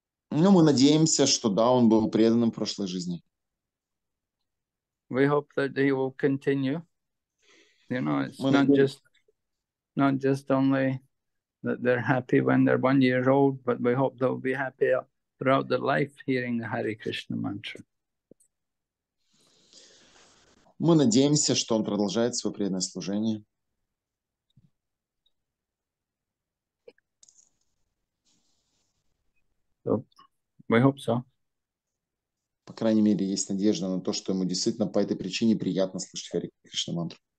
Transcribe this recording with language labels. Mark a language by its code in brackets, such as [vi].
[ru] Ну, мы надеемся, что да, он был преданным в прошлой жизни. [en] We hope that he will continue. You know, it's not just only that they're happy when they're 1 year old, but we hope they'll be happy throughout their life hearing the Hare Krishna mantra. [ru] Мы надеемся, что он продолжает свое преданное служение. [en] So, we hope so. [ru] По крайней мере, есть надежда на то, что ему действительно по этой причине приятно слышать Hare Krishna mantra.